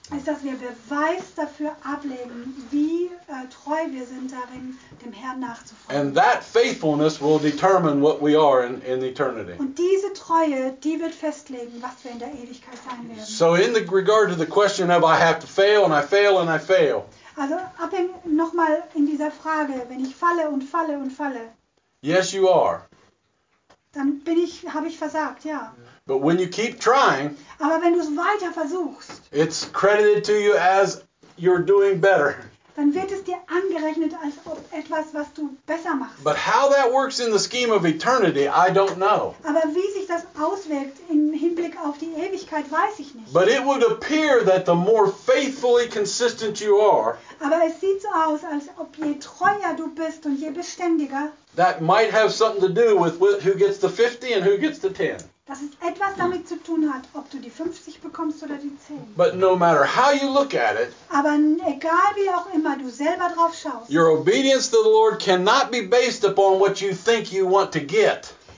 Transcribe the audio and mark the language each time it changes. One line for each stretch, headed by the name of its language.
German: Ist, dass wir Beweis dafür ablegen, wie treu wir sind darin, dem Herrn nachzufolgen.
English: And that faithfulness will determine what we are in eternity.
German: Und diese Treue, die wird festlegen, was wir in der Ewigkeit sein werden.
English: So in the regard to the question of I have to fail and I fail and I fail.
German: Also nochmal in dieser Frage, wenn ich falle und falle und falle.
English: Yes, you are.
German: Dann bin ich, habe ich versagt, ja.
English: But when you keep trying,
German: aber wenn du es weiter versuchst,
English: it's credited to you as you're doing better.
German: Dann wird es dir angerechnet als ob etwas, was du besser machst.
English: But how that works in the scheme of eternity, I don't know.
German: Aber wie sich das auswirkt im Hinblick auf die Ewigkeit, weiß ich nicht.
English: But it would appear that the more faithfully consistent you are,
German: aber es sieht so aus, als ob je treuer du bist und je beständiger,
English: that might have something to do with who gets the 50 and who gets the 10.
German: Dass es etwas damit zu tun hat, ob du die 50 bekommst oder die 10.
English: But no matter how you look at it,
German: aber egal wie auch immer du selber drauf schaust,
English: your obedience to the Lord cannot be based upon what you think you want to get.